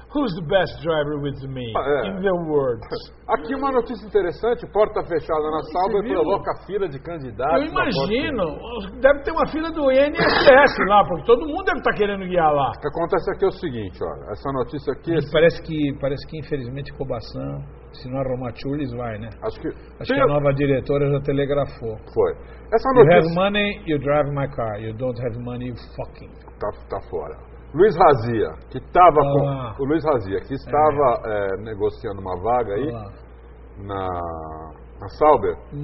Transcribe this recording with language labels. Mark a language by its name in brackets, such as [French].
[English] Who's the best driver with me in the world? [Portuguese] Aqui uma notícia interessante, porta fechada na sala e coloca fila de candidatos. Eu imagino, deve ter uma fila do INSS lá, porque todo mundo deve estar querendo guiar lá. O que acontece aqui é o seguinte, olha, essa notícia aqui... Assim, parece que infelizmente Cobaçan, se não arrumar Chulis, vai, né? Acho que a nova diretora já telegrafou. Foi. Essa notícia... [English] You have money, you drive my car. You don't have money, you fucking... [Portuguese] Tá fora. Luiz Razia, que estava com o Luiz Razia, que estava negociando uma vaga aí na Sauber.